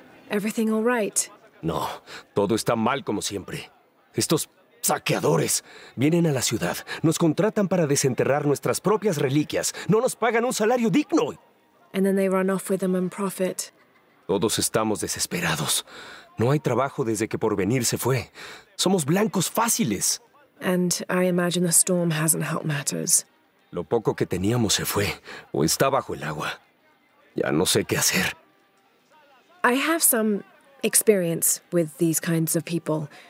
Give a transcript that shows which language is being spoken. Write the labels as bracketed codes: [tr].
[en] Everything all right? [es] No, todo está mal como siempre. Estos saqueadores vienen a la ciudad, nos contratan para desenterrar nuestras propias reliquias, no nos pagan un salario digno. [en] And then they run off with them and profit. [es] Todos estamos desesperados. No hay trabajo desde que Porvenir se fue. Somos blancos fáciles. [en] And I imagine the storm hasn't helped matters. [es] Lo poco que teníamos se fue, o está bajo el agua. Ya no sé qué hacer. [en] I have some experience with these kinds of people.